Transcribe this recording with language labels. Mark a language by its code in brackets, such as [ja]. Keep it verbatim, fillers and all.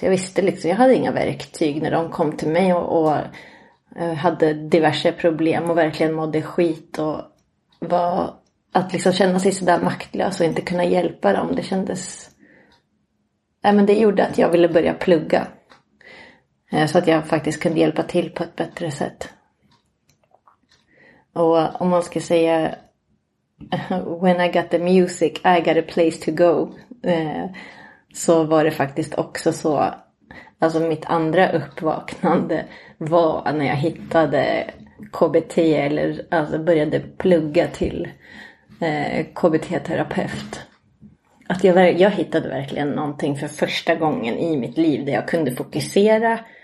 [sv] Jag visste liksom, jag hade inga verktyg när de kom till mig och, och hade diverse problem och verkligen mådde skit. Och var, att liksom känna sig sådär maktlös och inte kunna hjälpa dem, det kändes... Nej, men det gjorde att jag ville börja plugga. Så att jag faktiskt kunde hjälpa till på ett bättre sätt. Och om man ska säga... [en] When I got the music, I got a place to go. [sv] Så var det faktiskt också så... Alltså mitt andra uppvaknande var när jag hittade K B T. Eller alltså började plugga till K B T-terapeut. Att jag, jag hittade verkligen någonting för första gången i mitt liv. Där jag kunde fokusera...